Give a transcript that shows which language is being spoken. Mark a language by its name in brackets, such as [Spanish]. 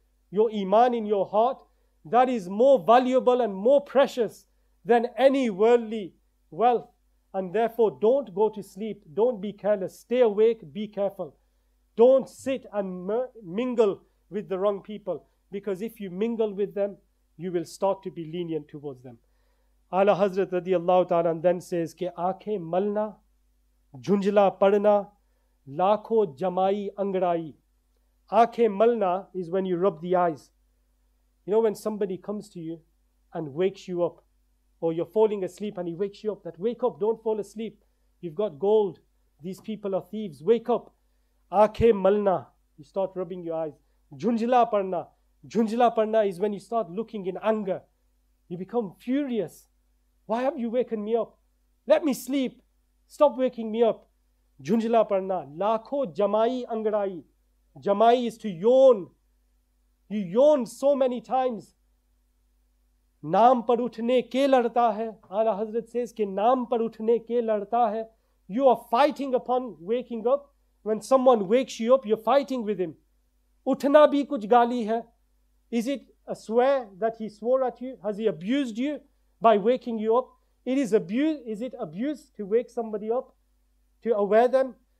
[English] Your iman in your heart, that is more valuable and more precious than any worldly wealth, and therefore don't go to sleep, don't be careless, stay awake, be careful. Don't sit and mingle with the wrong people, because if you mingle with them, you will start to be lenient towards them. [Urdu] Ala Hazrat رضی اللہ تعالیٰ then says کہ آنکھیں ملنا جھنجلا پڑنا لاکھوں جمائی انگڑائی. آنکھیں ملنا [English] is when you rub the eyes. You know when somebody comes to you and wakes you up, or you're falling asleep and he wakes you up, that wake up, don't fall asleep. You've got gold. These people are thieves. Wake up. [Urdu] Aankhe malna. [English] You start rubbing your eyes. [Urdu] Junjila parna. [English] Junjila parna is when you start looking in anger. You become furious. Why have you waken me up? Let me sleep. Stop waking me up. [Urdu] Junjila parna. Lakho jamai angrai. [English] Jamai is to yawn. You yawn so many times. [Urdu] نام پر اٹھنے کے لڑتا ہے. اعلیٰ حضرت says کہ نام پر اٹھنے کے لڑتا ہے. [English] You are fighting upon waking up. When someone wakes you up, you're fighting with him. [Urdu] اٹھنا بھی کچھ گالی ہے. [English] Is it a swear that he swore at you? Has he abused you by waking you up? It is abuse. Is it abuse to wake somebody up, to aware them?